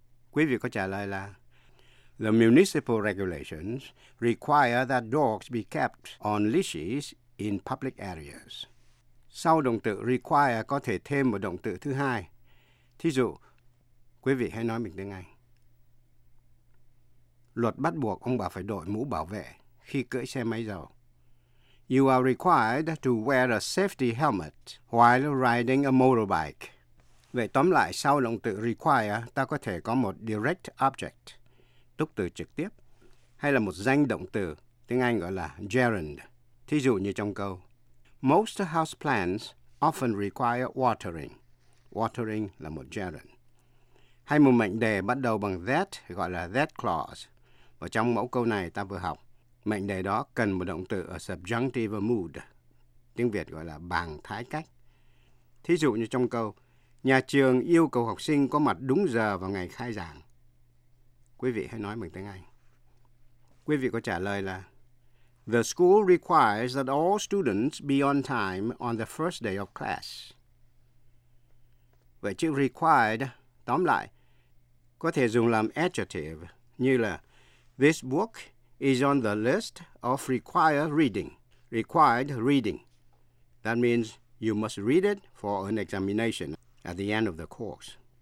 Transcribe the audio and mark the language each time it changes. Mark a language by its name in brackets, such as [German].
[Vietnamese] Quý vị có trả lời là [English] the municipal regulations require that dogs be kept on leashes in public areas. [Vietnamese] Sau động từ require có thể thêm một động từ thứ hai. Thí dụ, Quý vị hãy nói mình tiếng Anh. Luật bắt buộc ông bà phải đội mũ bảo vệ khi cưỡi xe máy dầu. [English] You are required to wear a safety helmet while riding a motorbike. [Vietnamese] Vậy tóm lại, sau động từ require, ta có thể có một direct object, tức từ trực tiếp, hay là một danh động từ, tiếng Anh gọi là gerund. Thí dụ như trong câu, [English] most house plants often require watering. [Vietnamese] Watering là một gerund. Hay một mệnh đề bắt đầu bằng that, gọi là that clause. Và trong mẫu câu này ta vừa học, mệnh đề đó cần một động từ ở subjunctive mood, tiếng Việt gọi là bằng thái cách. Thí dụ như trong câu, nhà trường yêu cầu học sinh có mặt đúng giờ vào ngày khai giảng. Quý vị hãy nói bằng tiếng Anh. Quý vị có trả lời là, [English] the school requires that all students be on time on the first day of class. [Vietnamese] Vậy chữ required, tóm lại, có thể dùng làm adjective, như là, [English] this book is on the list of required reading. Required reading. That means you must read it for an examination at the end of the course.